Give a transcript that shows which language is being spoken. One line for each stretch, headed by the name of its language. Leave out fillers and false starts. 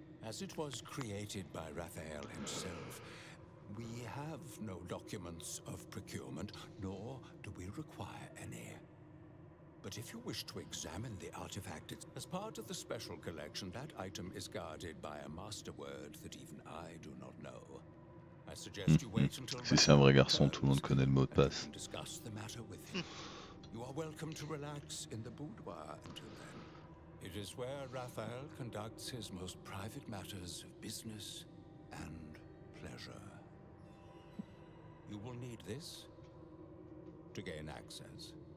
English: As it was created by Raphael himself, we have no documents of procurement, nor do we require any. But if you wish to examine the artifact, it's as part of the special collection, that item is guarded by a master word that even I do not know. I suggest you wait until...
French: Si c'est un vrai garçon, tout le monde connaît le mot de passe.
English: Discuss the matter with him. You are welcome to relax in the boudoir until then. It is where Raphael conducts his most private matters of business and pleasure. You will need this to gain access.